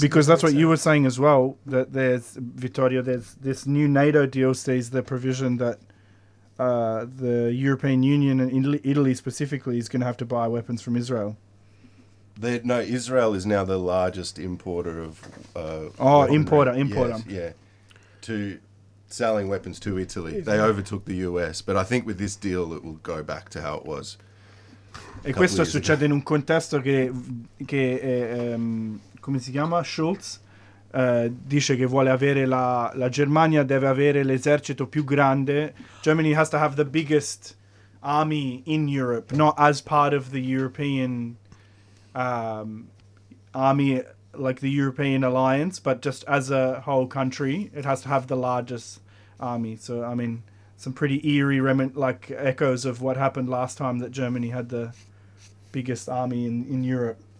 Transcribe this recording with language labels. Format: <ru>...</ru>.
<en>Because that's what you were saying as well, that there's, Vittorio, there's this new NATO deal sees the provision that the European Union and Italy specifically is going to have to buy weapons from Israel. Israel is now the largest importer of... Importer. Yeah. To selling weapons to Italy. They overtook the US. But I think with this deal, it will go back to how it was.</en> <it>E questo succede in un contesto che come si chiama? Schultz dice che vuole avere la Germania deve avere l'esercito più grande.</it> <en>Germany has to have the biggest army in Europe, not as part of the European army, like the European alliance, but just as a whole country, it has to have the largest army. So, I mean, some pretty eerie like echoes of what happened last time that Germany had the biggest army in Europe.</en>